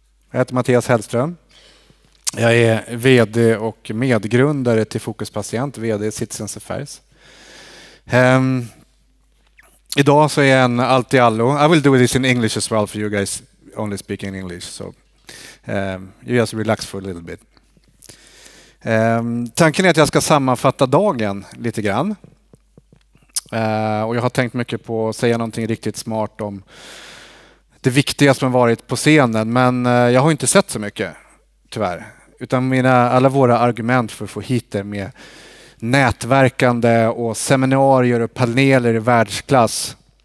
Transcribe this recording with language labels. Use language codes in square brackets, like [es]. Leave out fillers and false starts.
[sv] Jag heter Mattias Hellström. Jag är vd och medgrundare till FOKUS Patient, vd i Citizens Affairs. Idag så är jag en allt-i-allo. [en] I will do this in English as well for you guys only speaking English. So you just relax for a little bit. [sv] Tanken är att jag ska sammanfatta dagen lite grann. Och jag har tänkt mycket på att säga någonting riktigt smart om det viktiga som har varit på scenen, men jag har inte sett så mycket, tyvärr. Utan alla våra argument för att få hit det med nätverkande och seminarier och paneler i världsklass.